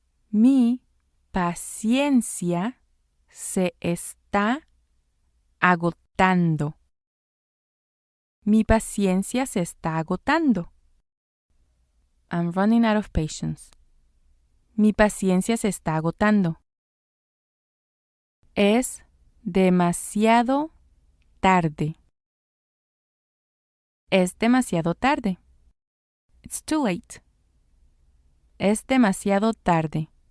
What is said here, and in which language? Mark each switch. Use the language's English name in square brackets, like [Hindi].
[Spanish] Mi paciencia se está agotando. Mi paciencia se está agotando. [English] I'm running out of patience. [Spanish] Mi paciencia se está agotando. Es demasiado tarde. Es demasiado tarde. [English] It's too late. [Spanish] Es demasiado tarde.